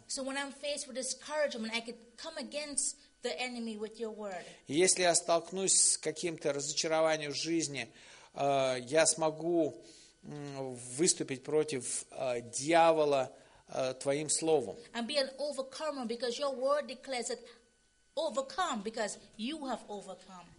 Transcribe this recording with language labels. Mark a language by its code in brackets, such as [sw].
[en] So when I'm faced with discouragement, I could come against the enemy with Your word. [ru] Если я столкнусь с каким-то разочарованием в жизни, я смогу выступить против дьявола твоим словом. [en] And be an overcomer because Your word declares that overcome because You have overcome.